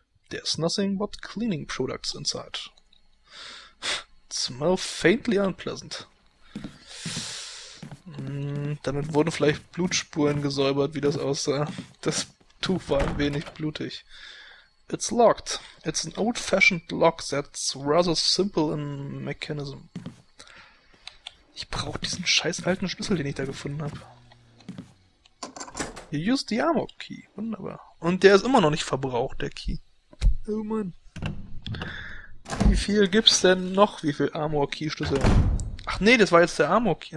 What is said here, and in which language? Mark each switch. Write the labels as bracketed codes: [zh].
[en] There's nothing but cleaning products inside. Smell faintly unpleasant. [de] Damit wurden vielleicht Blutspuren gesäubert, wie das aussah. Das Tuch war ein wenig blutig. [en] It's locked. It's an old-fashioned lock that's rather simple in mechanism. [de] Ich brauche diesen scheiß alten Schlüssel, den ich da gefunden habe. [en] You use the armor key. [de] Wunderbar. Und der ist immer noch nicht verbraucht, der Key. Oh Mann. Wie viel gibt's denn noch? Wie viel Armor Key Schlüssel? Ach nee, das war jetzt der Armor Key.